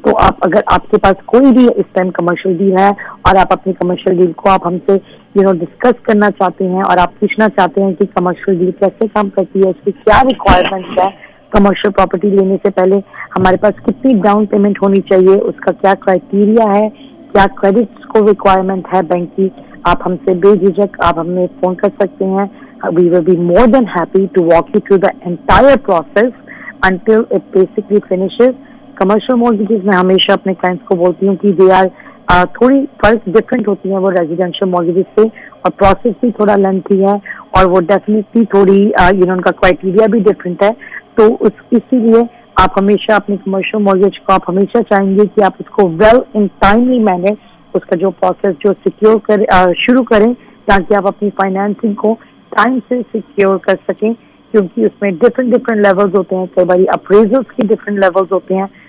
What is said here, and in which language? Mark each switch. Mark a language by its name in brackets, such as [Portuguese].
[Hindi] तो आप अगर आपके पास कोई भी इस टाइम कमर्शियल डील है और आप अपनी कमर्शियल डील को आप हमसे यू नो डिस्कस करना चाहते हैं और आप पूछना चाहते हैं कि कमर्शियल डील कैसे काम करती है, उसकी क्या रिक्वायरमेंट है, कमर्शियल प्रॉपर्टी लेने से पहले हमारे पास कितनी डाउन पेमेंट होनी चाहिए, उसका क्या क्राइटेरिया है, क्या क्रेडिट स्कोर रिक्वायरमेंट है बैंक की, आप हमसे बेझिझक आप हमें फोन कर सकते हैं. [English] We will be more than happy to walk you through the entire process until it basically finishes. [Hindi] Commercial mortgages, मैं हमेशा अपने clients को बोलती हूँ कि [English] they are [Hindi] थोड़ी फर्क different होती हैं वो residential mortgages से और process भी थोड़ा lengthy है और वो definitely थोड़ी [English] you know [Hindi] उनका criteria भी different है. तो इसीलिए आप हमेशा अपने commercial mortgage को आप हमेशा चाहेंगे कि आप उसको [English] well in timely manner [Hindi] उसका जो process जो secure कर शुरू करें ताकि आप अपनी financing को टाइम से सिक्योर कर सकें, क्योंकि उसमें डिफरेंट डिफरेंट लेवल्स होते हैं, कई बार अप्रेजल्स के डिफरेंट लेवल्स होते हैं.